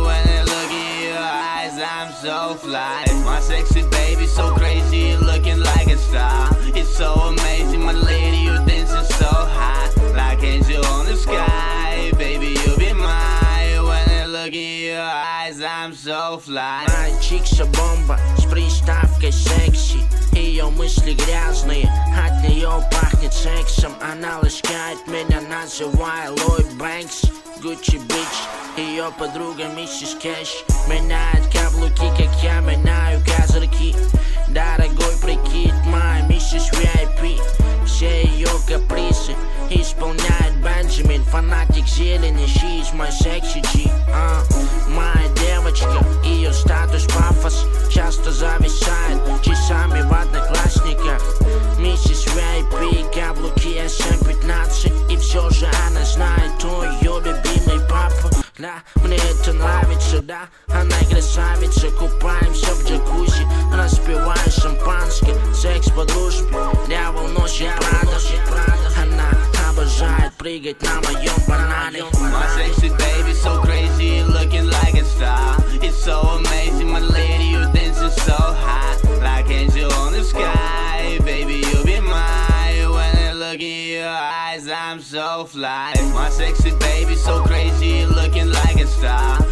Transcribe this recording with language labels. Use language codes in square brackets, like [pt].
[en] When I look in your eyes, I'm so fly. My sexy baby so crazy, looking like a star. It's so amazing, my lady, you dancing so hot. Like angel on the sky, baby, you be mine. When I look in your eyes, I'm so fly. [ru] Мальчикша бомба с приставкой секси. Ее мысли грязные, от нее пахнет сексом. Она ласкает меня, называя Ллойд Бэнкс. [en] Gucci bitch, [ru] ее подруга миссис Кэш. Меняет каблуки, как я меняю козырьки. Дорогой прикид, моя миссис VIP. Все ее капризы исполняет Бенджамин. Фанатик зелени, [en] she is my sexy G. [ru] Моя девочка, ее статус пафос. Часто зависает часами в одноклассниках. Миссис VIP, каблуки SM15. И все же она знает, кто ее любимый папа. Да, мне это нравится, да, она красавица. Купаемся в джакузи, распиваем шампанское. Секс по дружбе, я волнуюсь, я радуюсь. Она обожает прыгать на моем банане. [en] My sexy baby so crazy, looking like a star. It's so amazing, my lady, you dancing so hot. Like angel on the sky, baby, you be mine. When I look in your eyes, I'm so fly. My sexy baby so crazy, looking like a star.